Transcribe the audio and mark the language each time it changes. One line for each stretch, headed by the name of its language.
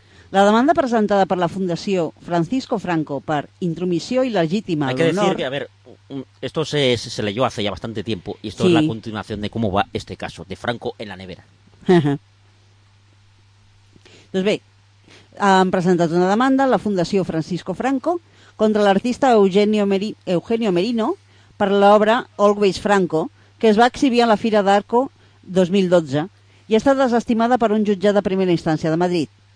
Catalan: La demanda presentada per la Fundació Francisco Franco per intromissió il·legítima a l'honor...
Spanish: Hay que decir que, a ver, esto se leyó hace ya bastante tiempo y esto sí. Es la continuación de cómo va este caso, de Franco en la nevera.
Catalan: Doncs bé, han presentat una demanda a la Fundació Francisco Franco contra l'artista Eugenio Merino per l'obra Always Franco, que es va exhibir a la Fira d'Arco 2012 i ha estat desestimada per un jutge de primera instància de Madrid.